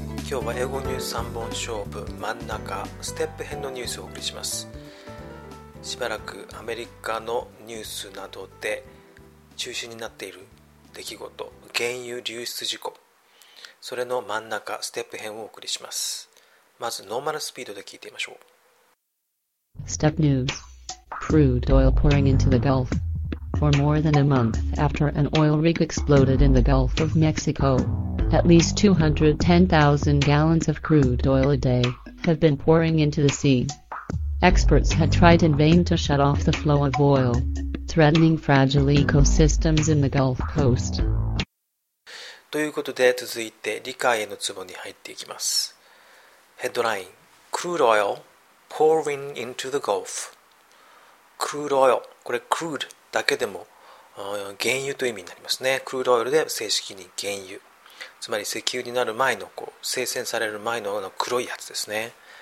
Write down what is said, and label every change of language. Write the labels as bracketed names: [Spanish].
[Japanese] 今日は英語ニュース3本勝負真ん中ステップ編のニュースをお送りします。しばらくアメリカのニュースなどで中心になっている出来事、原油流出事故、それの真ん中ステップ編をお送りします。まずノーマルスピードで聞いてみましょう。 [English] Step News: Crude oil pouring into the Gulf for more than a month after an oil rig exploded in the Gulf of Mexico. At least 210,000 gallons of crude oil a day have been pouring into the sea. Experts had tried in vain to shut off the flow of oil, threatening fragile ecosystems in the Gulf Coast. [Japanese] ということで続いて理解へのツボに入っていきます。 [English] ヘッドライン、Crude oil. Pouring into the Gulf. Crude oil. [Japanese] これ crude だけでも原油という意味になりますね。 Crude oil で正式に原油、つまり石油になる前のこう生鮮される前のような黒いやつですね。